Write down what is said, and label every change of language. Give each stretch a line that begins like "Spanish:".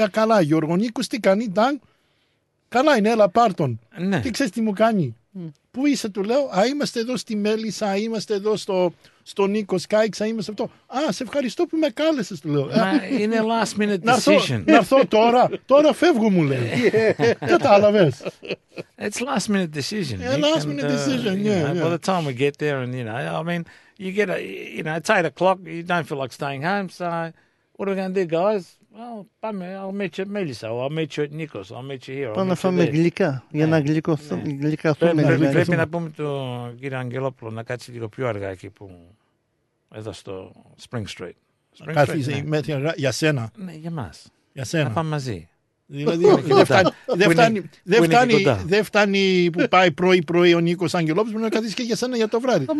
Greek: Α, καλά Γιώργο Νίκος, τι κάνει? Καλά είναι, έλα πάρ' τον. Τι ξέρεις τι μου κάνει? Πού είσαι, του λέω, α, είμαστε εδώ στη Μέλισσα, είμαστε εδώ στο Νίκο Σκάιξα, είμαστε αυτό. Α, σε ευχαριστώ που με κάλεσες, του λέω. Είναι
English: last minute decision.
Greek: Να έρθω τώρα, τώρα φεύγω, μου λέει. Κατάλαβες.
English: It's last minute decision. Last minute decision. By the time we get there, and you get it's 8 o'clock, you don't feel like staying home, so what are we going to do, guys? Well,
Greek: πάμε,
English: I'll meet you at Melissa, or I'll meet you at Nikos, I'll meet you here.
Greek: Πάμε να φάμε γλυκά, για να γλυκαθούμε. Πρέπει να πούμε τον κύριο Αγγελόπουλο να κάτσει λίγο πιο αργά εκεί που, εδώ στο Spring Street. Κάθιζε για σένα. Ναι, για μας. Για σένα. Να πάμε μαζί. Δηλαδή, δεν φτάνει που πάει πρωί-πρωί ο Νίκος Αγγελόπουλος, πρέπει να καθίσει και για σένα για το βράδυ.